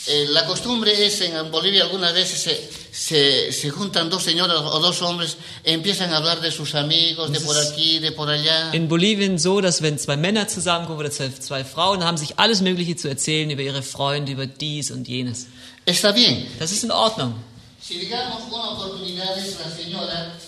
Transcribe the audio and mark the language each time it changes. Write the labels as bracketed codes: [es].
[es] La costumbre es en Bolivia algunas veces se juntan dos señoras o dos hombres, empiezan a hablar de sus amigos, de por aquí, de por allá. [de] In Bolivien so, dass wenn zwei Männer zusammenkommen oder zwei Frauen, haben sich alles Mögliche zu erzählen über ihre Freunde, über dies und jenes. [es] Está bien. [de] Das ist in Ordnung. [es] Si digamos una oportunidad es la señora.